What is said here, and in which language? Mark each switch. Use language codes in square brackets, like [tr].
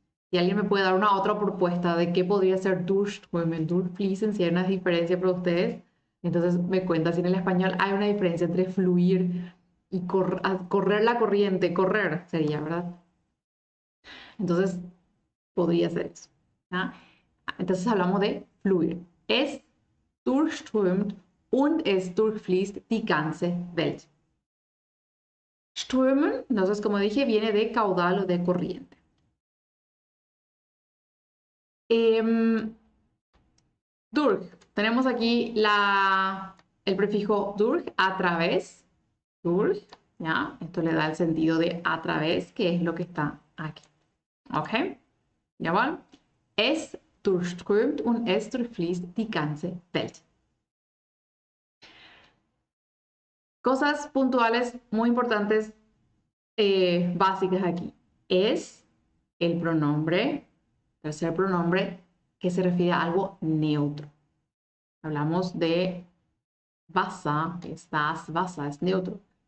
[es] Si alguien me puede dar una otra propuesta de qué podría ser Durst, Durstfließen, si hay una diferencia para ustedes, entonces me cuenta si en el español hay una diferencia entre fluir y correr la corriente, correr sería, ¿verdad? Entonces, podría ser eso, ¿no? Entonces hablamos de fluir. [de] Es durchströmt und es durchfließt die ganze Welt. [es] Strömen, entonces como dije, viene de caudal o de corriente. Durch, tenemos aquí el prefijo durch, a través. Durch, ¿ya? Esto le da el sentido de a través, que es lo que está aquí. ¿Ok? Ja, bueno. [de] Es durchströmt und es durchfließt die ganze Welt. [es] Cosas puntuales muy importantes, básicas aquí. Es el pronombre, tercer pronombre, que se refiere a algo neutro. Hablamos de Wasser, es das Wasser, es neutro.